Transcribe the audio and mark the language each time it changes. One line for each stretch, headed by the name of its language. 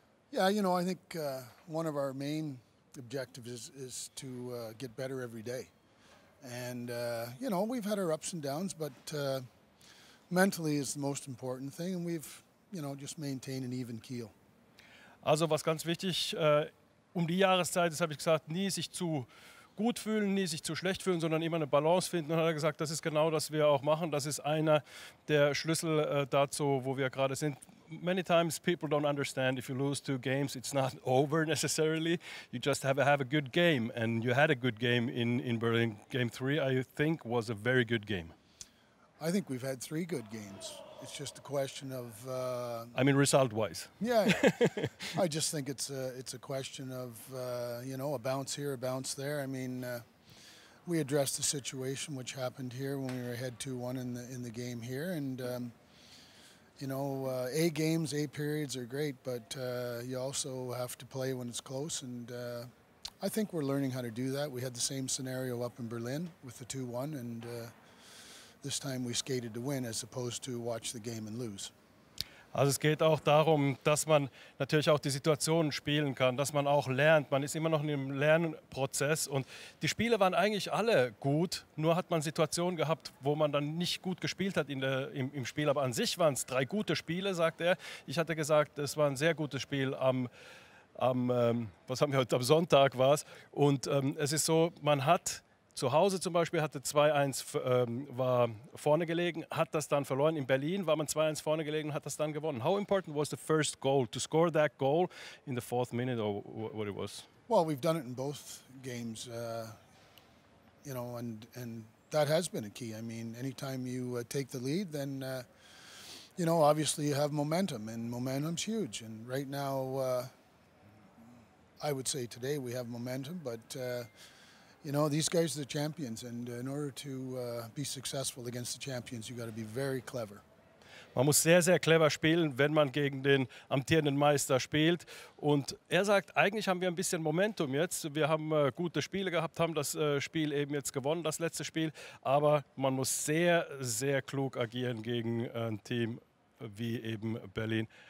English: Yeah, you know, I think one of our main objectives is to get better every day. And, you know, we've had our ups and downs, but mentally is the most important thing. And we've, you know, just maintained an even keel.
German: Also, was ganz wichtig, die Jahreszeit, das habe ich gesagt, nie sich zu gut fühlen, nie sich zu schlecht fühlen, sondern immer eine Balance finden. Und hat er gesagt, das ist genau, was wir auch machen. Das ist einer der Schlüssel dazu, wo wir gerade sind.
English: Many times people don't understand, if you lose two games, it's not over necessarily. You just have a good game. And you had a good game in Berlin. Game three, I think, was a very good game. I think we've had three good games. It's just a question of... I mean, result-wise. Yeah. I just think it's a question of, you know, a bounce here, a bounce there. I mean, we addressed the situation which happened here when we were ahead 2-1 in the game here. And, you know, A games, A periods are great, but you also have to play when it's close. And I think we're learning how to do that. We had the same scenario up in Berlin with the 2-1. And... this time we skated to win as opposed to watch the game and lose.
German: Also es geht auch darum, dass man natürlich auch die Situationen spielen kann, dass man auch lernt. Man ist immer noch in einem Lernprozess und die Spiele waren eigentlich alle gut, nur hat man Situationen gehabt, wo man dann nicht gut gespielt hat im Spiel. Aber an sich waren es drei gute Spiele, sagt er. Ich hatte gesagt, es war ein sehr gutes Spiel am Sonntag war es. Und es ist so, man hat... Zu Hause zum Beispiel hatte 2-1 war vorne gelegen, hat das dann verloren. In Berlin war man 2-1 vorne gelegen, hat das dann gewonnen.
English: How important was the first goal to score that goal in the fourth minute or what it was? Well, we've done it in both games, you know, and that has been a key. I mean, anytime you take the lead, then you know, obviously you have momentum, and momentum's huge. And right now, I would say today we have momentum, but. You know, these guys are the champions, and in order to be successful against the champions, you got to be very clever.
German: Man muss sehr, sehr clever spielen, wenn man gegen den amtierenden Meister spielt. Und er sagt, eigentlich haben wir ein bisschen Momentum jetzt. Wir haben gute Spiele gehabt, haben das Spiel eben jetzt gewonnen, das letzte Spiel. Aber man muss sehr, sehr klug agieren gegen ein Team wie eben Berlin.